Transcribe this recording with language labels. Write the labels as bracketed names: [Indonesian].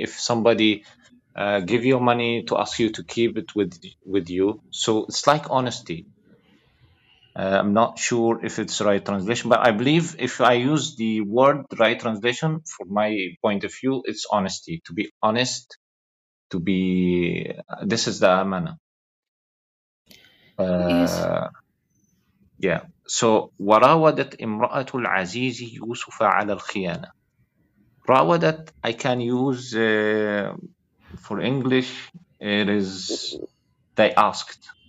[English] If somebody give you money to ask you to keep it with you, so it's like honesty. I'm not sure if it's right translation, but I believe if I use the word right translation from my point of view, it's honesty. To be honest, to be, this is the amana. Yes. Yeah. [Arabic] So, وراودت امرأة العزيز يوسف على الخيانة. [English] راودت, I can use for English, it is, they asked.